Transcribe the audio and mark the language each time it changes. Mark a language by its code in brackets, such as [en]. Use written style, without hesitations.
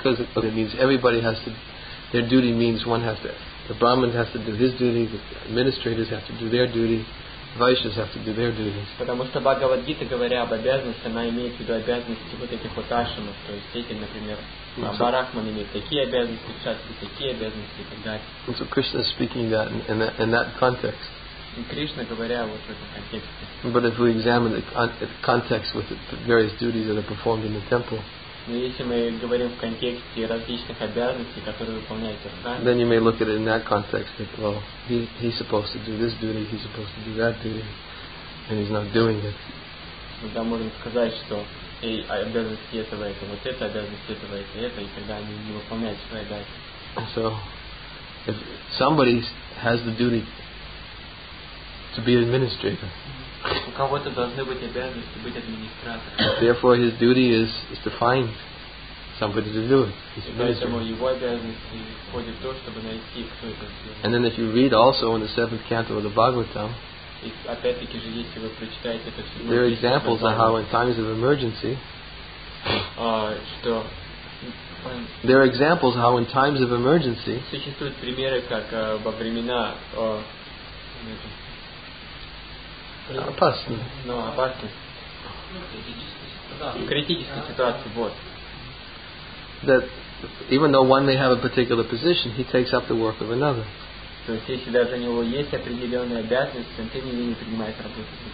[en] Because it means everybody has to. Their duty means one has to. The Brahmin has to do his duty. The administrators have to do their duty. Vaishyas have to do their duties. [ru] Потому что Бхагавад Гита, говоря об обязанности, она имеет в виду обязанности вот этих вот ашрамов, то есть эти, например, брахманы имеют такие обязанности, кшатрии такие обязанности и так далее. [en] So Krishna is speaking that in that context. [ru] Кришна говоря вот в этом контексте. [en] But if we examine the context with the various duties that are performed in the temple. [ru] Но если мы говорим в контексте различных обязанностей, которые выполняются в храме, [en] then you may look at it in that context that, well, he's supposed to do this duty, he's supposed to do that duty, and he's not doing it. [ru] Тогда можем сказать, что обязанности этого это вот это, обязанности этого это, и тогда они не выполняют свои обязанности. [en] So, if somebody has the duty to be an administrator, [ru] у кого-то должны быть обязанности быть администратором. [en] Therefore, his duty is to find somebody to do it. His [ru] поэтому его обязанности входит в то, чтобы найти, кто это сделает. [en] And then, if you read also in the seventh canto of the Bhagavatam, [ru] и опять-таки же, если вы прочитаете это все, [en] there are examples of how in times of emergency, [ru] что [en] there are examples how in times of emergency [ru] существуют примеры, как во времена. Опасно. Ну, опасно. В критической ситуации, вот. [en] That even though one may have a particular position, he takes up the work of another. [ru] То есть, если даже у него есть определенные обязанности, он тем не менее принимает работу.